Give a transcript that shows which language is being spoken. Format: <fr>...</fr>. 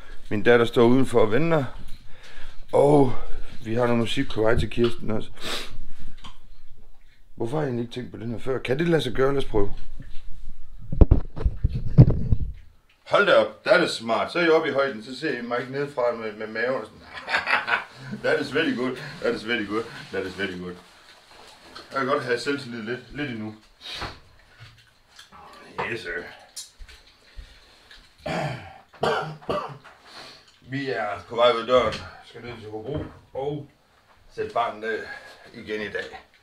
<da>Min datter står udenfor og venter. Og vi har noget musik på vej til Kirsten også. Hvorfor har jeg egentlig ikke tænkt på den her før? Kan det lade sig gøre? Lad os prøve. Hold da op,</da> <en>that is smart.</en> <da>Så er jeg oppe i højden, så ser I mig ikke nedefra med maven og sådan.</da> <en>That is very good, that is very good, that is very good.</en> <da>Jeg kan godt have selvtillid lidt endnu.</da> <en>Yes, sir.</en> <da>Vi er på vej ved døren, skal ned til Hobro og sætte barnet ned igen i dag.</da>